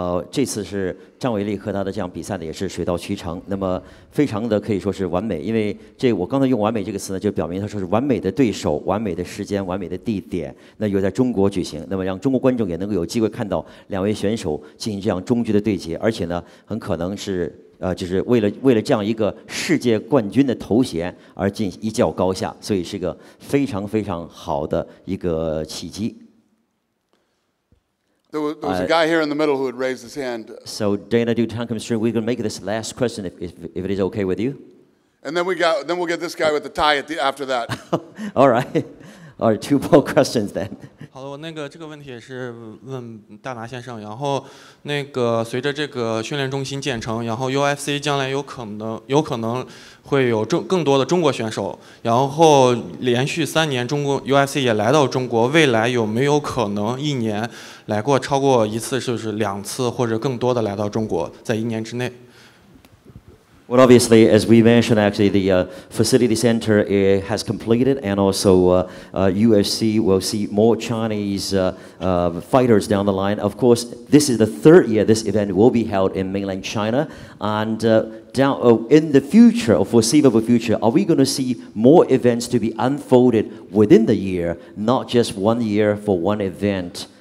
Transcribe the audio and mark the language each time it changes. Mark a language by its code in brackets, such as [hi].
[zh] 这次是张伟丽和他的这样比赛呢也是水到渠成，那么非常的可以说是完美，因为这我刚才用完美这个词呢就表明他说是完美的对手，完美的时间，完美的地点，那又在中国举行，那么让中国观众也能够有机会看到两位选手进行这样中距的对决，而且呢很可能是就是为了这样一个世界冠军的头衔而进一较高下，所以是一个非常非常好的一个契机。 [en] There was a guy here in the middle who had raised his hand. So Dana, do time comes through, we're going to make this last question if it is okay with you. And then we'll get this guy with the tie after that. All right. All right, two more questions then. [zh] 好的，我那个这个问题也是问大拿先生。然后，那个随着这个训练中心建成，然后 UFC 将来有可能会有更多的中国选手。然后连续三年中国 UFC 也来到中国，未来有没有可能一年来过超过一次，就是两次或者更多的来到中国，在一年之内？ [en] Well, obviously, as we mentioned, actually, the facility center it has completed, and also UFC will see more Chinese fighters down the line. Of course, this is the third year this event will be held in mainland China. And in the future, or foreseeable future, are we going to see more events to be unfolded within the year, not just one year for one event?